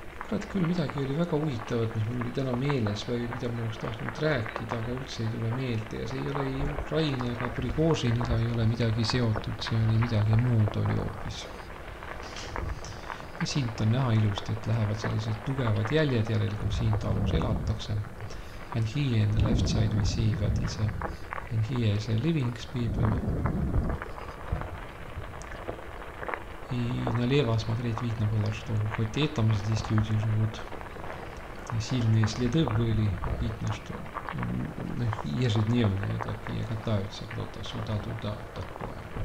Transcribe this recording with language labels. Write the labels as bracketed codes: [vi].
[et] Et küll midagi oli väga huvitavad, mis mul oli täna meeles või mida ma oleks tahtnud rääkida, aga üldse ei tule meelde ja see ei ole Ukraina ega Prigožiniga ei ole midagi seotud, see oli midagi muud oli hoopis. Ja siit on näha ilust, et lähevad sellised tugevad jäljed jälle, kui siin talus elatakse. [en] And here in the left side we see that is a, and here is a living people. [ru] И на лево смотреть видно было, что хоть и там здесь люди живут, сильные следы были, видно, что ежедневные такие катаются кто-то сюда-туда, такое.